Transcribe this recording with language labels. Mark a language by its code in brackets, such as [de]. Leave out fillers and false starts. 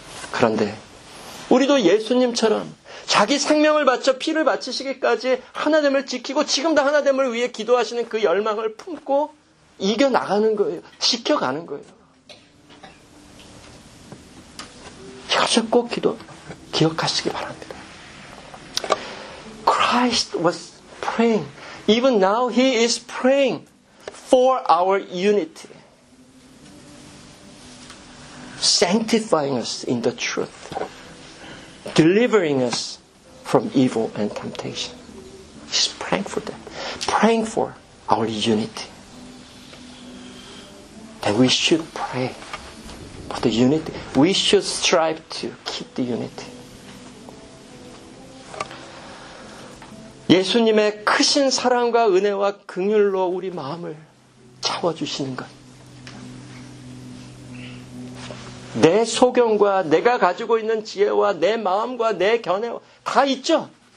[ko] 그런데 우리도 예수님처럼 자기 생명을 바쳐 피를 바치시기까지 하나됨을 지키고 지금도 하나됨을 위해 기도하시는 그 열망을 품고 이겨나가는 거예요. 지켜가는 거예요. 이것을 꼭 기억하시기 바랍니다. [en] Christ was praying. Even now he is praying for our unity. Sanctifying us in the truth. Delivering us from evil and temptation. He's praying for that. Praying for our unity. That we should pray. But the unity, we should strive to keep the unity. [ko] 예수님의 크신 사랑과 은혜와 긍휼로 우리 마음을 채워주시는 것. 내 소견과 내가 가지고 있는 지혜와 내 마음과 내 견해 다 있죠?